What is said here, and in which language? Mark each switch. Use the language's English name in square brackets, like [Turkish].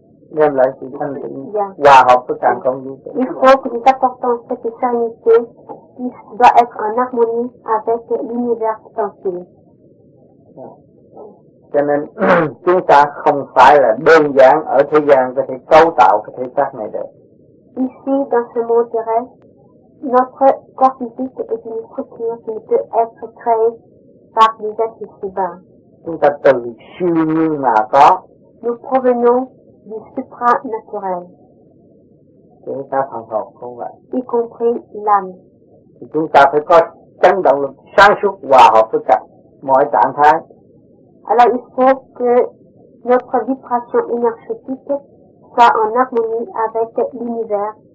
[Vietnamese] đem lại sự thanh tịnh hòa hợp với cả không vũ trụ. [French] Il faut que nous apportons cette sérénité qui doit être en harmonie avec l'univers entier. [Vietnamese] Cho nên chúng ta không phải là đơn giản ở thế gian có thể cấu tạo cái thể xác này được. [French] Ici, dans ce monde terrestre, notre corps physique est une structure qui ne peut être créée par des êtres suivants. [Vietnamese] Chúng ta từ siêu nhiên mà có. [French] Nous provenons du supranaturel. [Vietnamese] Chúng ta phần hồn không vậy. [French] Y compris l'âme. [Vietnamese] Thì chúng ta phải có chấn động lực sáng suốt hòa hợp với cả mọi trạng thái. [French] Alors il faut que notre vibration énergétique soit en harmonie avec l'univers.